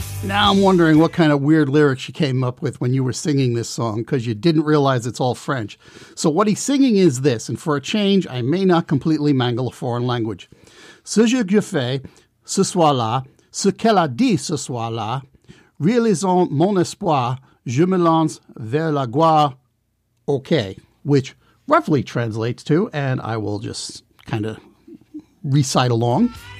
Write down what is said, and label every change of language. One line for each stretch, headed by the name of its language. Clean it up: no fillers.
English: I'm wondering what kind of weird lyrics you came up with when you were singing this song, because you didn't realize it's all French. So what he's singing is this, and for a change, I may not completely mangle a foreign language.
French: Ce que je fais ce soir-là, ce qu'elle a dit ce soir-là, réalisant mon espoir, je me lance vers la gloire, ok.
English: Which roughly translates to, and I will just kind of recite along.